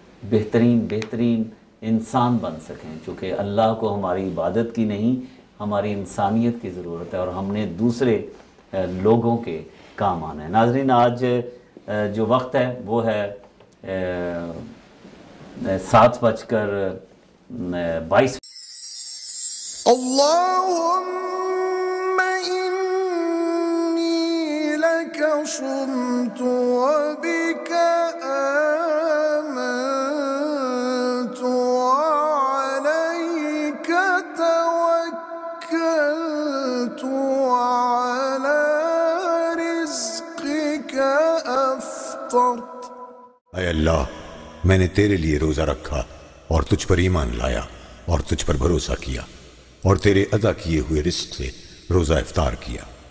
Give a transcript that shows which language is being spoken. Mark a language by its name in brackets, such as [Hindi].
[Urdu] بہترین بہترین انسان بن سکیں چونکہ اللہ کو ہماری عبادت کی نہیں ہماری انسانیت کی ضرورت ہے اور ہم نے دوسرے لوگوں کے کام آنا ہے ناظرین آج جو وقت ہے وہ ہے 7:22 [Arabic] اللهم إني لك صمت وبك آمنت وعليك توكلت وعلى رزقك أفطرت [Urdu] أي الله میں نے تیرے لیے روزہ رکھا اور تجھ پر ایمان لایا اور تجھ پر بھروسہ کیا اور تیرے ادا کیے ہوئے رزق سے روزہ افطار کیا